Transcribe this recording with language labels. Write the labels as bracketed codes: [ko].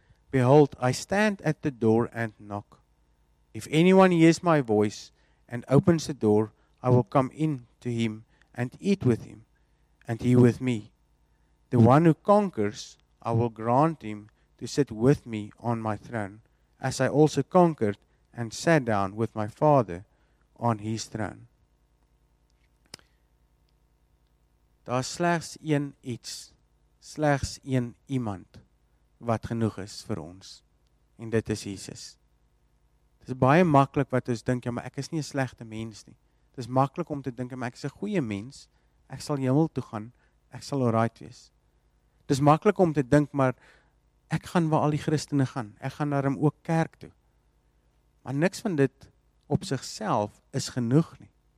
[en] Behold, I stand at the door and knock. If anyone hears my voice and opens the door, I will come in to him and eat with him, and he with me. The one who conquers, I will grant him to sit with me on my throne, as I also conquered and sat down with my Father on his throne. [af] Daar is slegs een iets, slegs een iemand wat genoeg is vir ons. En dit is Jesus. Dit is baie maklik wat ons dink, ja, maar ek is nie 'n slegte mens nie. Dit is maklik om te dink, maar ek is 'n goeie mens. Ek sal hemel toe gaan. Ek sal alright wees. Dit is maklik om te dink, maar ek gaan waar al die Christene gaan. Ek gaan daarom ook kerk toe. Maar niks van dit op sigself is genoeg nie.